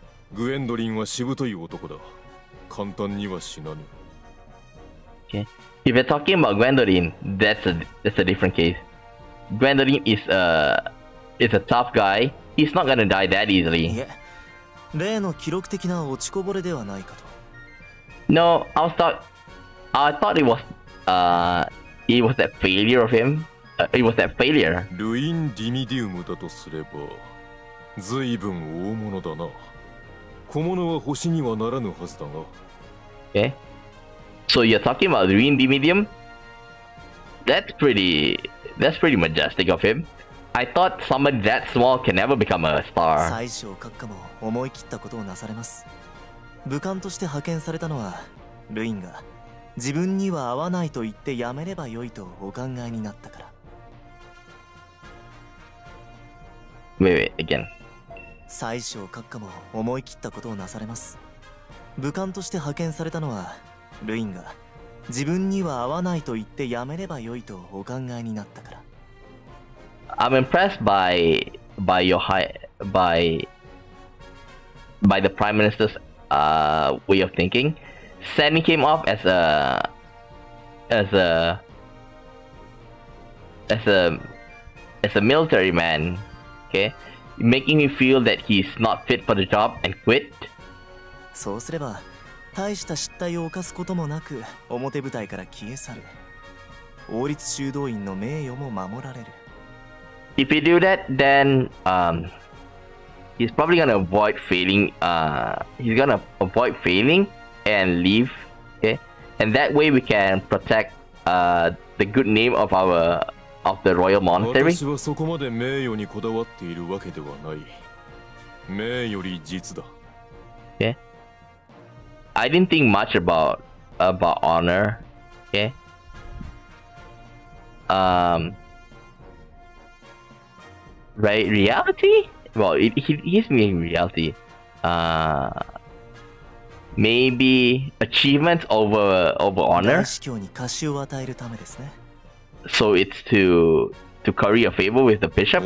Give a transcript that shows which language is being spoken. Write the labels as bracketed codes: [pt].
[ja] グエンドリンはしぶとい男だ。簡単には死なぬ。 [en] Okay. If you're talking about Gwendolyn, that's a different case. Gwendolyn is a tough guy. He's not gonna die that easily. No, I thought it was that failure of him. It was that failure. [ja] Ruin Dimidium だとすれば、ずいぶん大物だな。小物は星にはならぬはずだが。 [en] え？So you're talking about Ruin Dimidium? That's pretty majestic of him. I thought somebody that small can never become a star. [ja] 最初閣下も思い切ったことをなされます。武官として派遣されたのは、ルインが自分には合わないと言ってやめればよいとお考えになったから。 [en] Wait, again. [ja] 最初閣下も思い切ったことをなされます。武官として派遣されたのは、ルインが自分には合わないと言ってやめればよいとお考えになったから。 [en] I'm impressed by the Prime Minister's way of thinking. Sending him off as a military man. Okay. Making me feel that he's not fit for the job and quit. [ja] そうすれば、大した失態を犯すこともなく、表舞台から消え去る。王立修道院の名誉も守られる。 [en] If you do that, then, he's probably gonna avoid failing, and leave, okay? And that way we can protect, the good name of our. Of the royal monastery? [ja] 私はそこまで名誉にこだわっているわけではない。名より実だ。 [en] Okay. I didn't think much about honor. Okay. Right, reality? Well, he's meaning reality. Maybe achievements over honor. [ja] 大司教に貸しを与えるためですね。 [en] So it's to curry a favor with the bishop?